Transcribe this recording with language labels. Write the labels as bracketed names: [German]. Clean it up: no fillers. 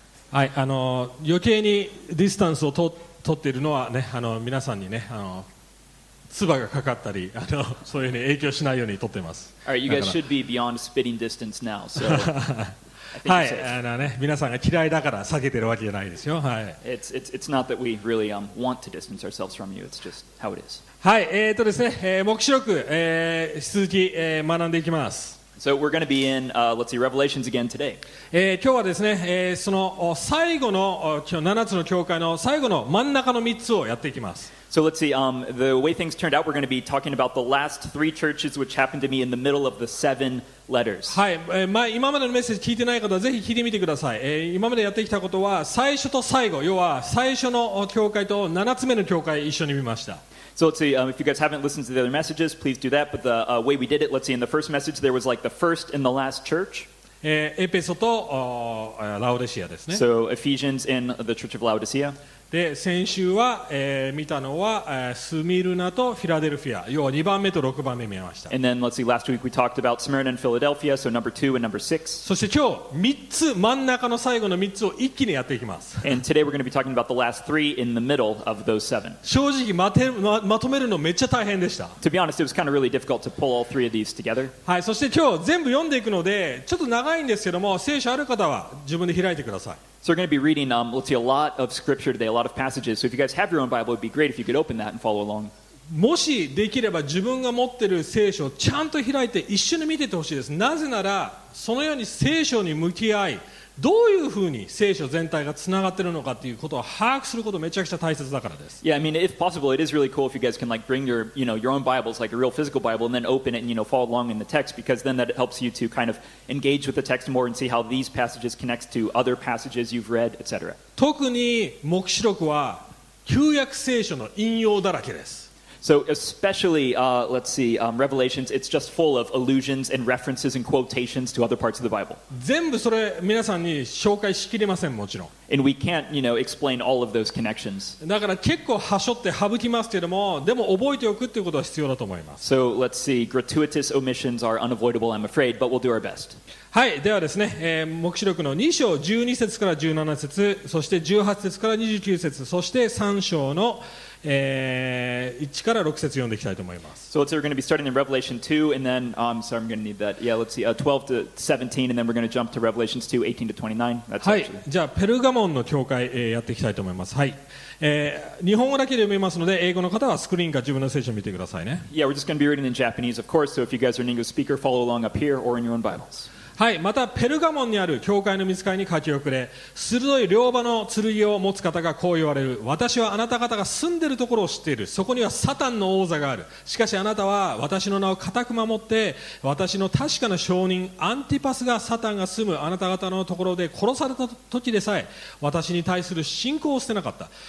[Japanese] はい、余計にディスタンスを取っているのはね、皆さんにね、唾がかかったり、そういうに影響しないように取っています。 [English] All right, you guys should be beyond spitting distance now, so... [Japanese] はい、ね、皆さんが嫌いだから避けてるわけじゃないですよ。はい。 [English] It's not that we really want to distance ourselves from you. It's just how it is. [Japanese] はい、ですね、黙示録、続き、学んでいきます。 [English] So we're going to be in, let's see, Revelations again today. [Japanese] 今日はですね、その最後の、今日7つの教会の最後の真ん中の3つをやっていきます。 [English] So let's see, the way things turned out, we're going to be talking about the last three churches which happened to me in the middle of the seven letters. [Japanese] はい、今までのメッセージ聞いてない方はぜひ聞いてみてください。今までやってきたことは最初と最後、要は最初の教会と7つ目の教会一緒に見ました。 [English] So let's see, if you guys haven't listened to the other messages, please do that. But the way we did it, let's see, in the first message, there was like the first and the last church. [Japanese] エペソと、ラオデシアですね。 [English] So Ephesians and the Church of Laodicea. [Japanese] で、先週は、見たのは、スミルナとフィラデルフィア。要は2番目と6番目見えました。 [English] And then, let's see, last week we talked about Smyrna and Philadelphia, so number 2 and number 6. [Japanese] そして今日、3つ、真ん中の最後の3つを一気にやっていきます。 [English] And today we're going to be talking about the last 3 in the middle of those 7. [Japanese] 正直、まとめるのめっちゃ大変でした。 [English] To be honest, it was kind of really difficult to pull all 3 of these together. [Japanese] はい、そして今日、全部読んでいくので、ちょっと長いんですけども、聖書ある方は自分で開いてください。 [English] So we're going to be reading, let's see, a lot of scripture today, a lot of passages. So if you guys have your own Bible, it would be great if you could open that and follow along. [Japanese] もしできれば自分が持っている聖書をちゃんと開いて一緒に見ててほしいです。なぜなら、そのように聖書に向き合い、どういうふうに聖書全体がつながっているのかということを把握することめちゃくちゃ大切だからです。 [English] Yeah, I mean, if possible, it is really cool if you guys can like bring your, you know, your own Bibles, like a real physical Bible, and then open it and, you know, follow along in the text, because then that helps you to kind of engage with the text more and see how these passages connect to other passages you've read, etc. [Japanese] 特に黙示録は旧約聖書の引用だらけです。 [English] So especially, let's see, Revelations, it's just full of allusions and references and quotations to other parts of the Bible. [Japanese] 全部それ皆さんに紹介しきれません、もちろん。 [English] And we can't, you know, explain all of those connections. [Japanese] だから結構端折って省きますけども、でも覚えておくっていうことは必要だと思います。 [English] So let's see, gratuitous omissions are unavoidable, I'm afraid, but we'll do our best. [Japanese] はい、ではですね、黙示録の2章12節から17節、そして18節から29節、そして3章の1から6節読んでいきたいと思います。 [English] So we're going to be starting in Revelation 2 and then, sorry, I'm going to need that. Yeah, let's see, 12 to 17 and then we're going to jump to Revelation 2, 18 to 29. That's actually... [Japanese] はい、じゃあペルガモンの教会、やっていきたいと思います。はい。日本語だけで読みますので、英語の方はスクリーンか自分の聖書を見てくださいね。 [English] Yeah, we're just going to be reading in Japanese, of course, so if you guys are an English speaker, follow along up here or in your own Bibles. [Japanese] はい、またペルガモンにある教会の御使いに書き送れ、鋭い両刃の剣を持つ方がこう言われる。私はあなた方が住んでいるところを知っている。そこにはサタンの王座がある。しかしあなたは私の名を固く守って、私の確かな証人アンティパスがサタンが住むあなた方のところで殺された時でさえ私に対する信仰を捨てなかった。